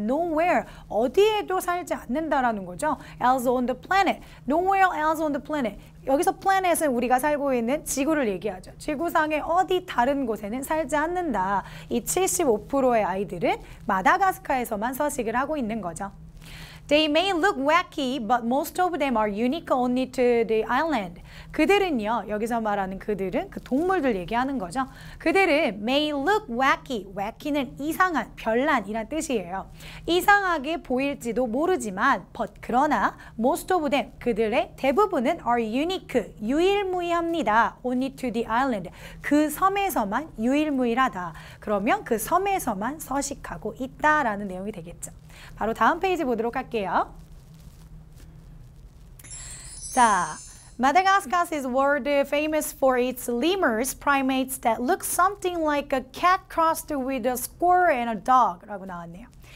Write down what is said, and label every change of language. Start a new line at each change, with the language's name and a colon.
English: nowhere,
Korean: 어디에도 살지 않는다라는 거죠.
English: else on the planet, nowhere else on the planet.
Korean: 여기서 planet은 우리가 살고 있는 지구를 얘기하죠. 지구상의 어디 다른 곳에는 살지 않는다. 이 75%의 아이들은 마다가스카에서만 서식을 하고 있는 거죠.
English: They may look wacky, but most of them are unique only to the island.
Korean: 그들은요, 여기서 말하는 그들은 그 동물들 얘기하는 거죠. 그들은
English: may look wacky,
Korean: wacky는 이상한, 별난이란 뜻이에요. 이상하게 보일지도 모르지만, but 그러나
English: most of them,
Korean: 그들의 대부분은
English: are unique,
Korean: 유일무이합니다.
English: Only to the island,
Korean: 그 섬에서만 유일무이하다. 그러면 그 섬에서만 서식하고 있다라는 내용이 되겠죠. 바로 다음 페이지 보도록 할게요.
English: 자, Madagascar is world famous for its lemurs, primates that look something like a cat crossed with a squirrel and a dog
Korean: 라고 나왔네요.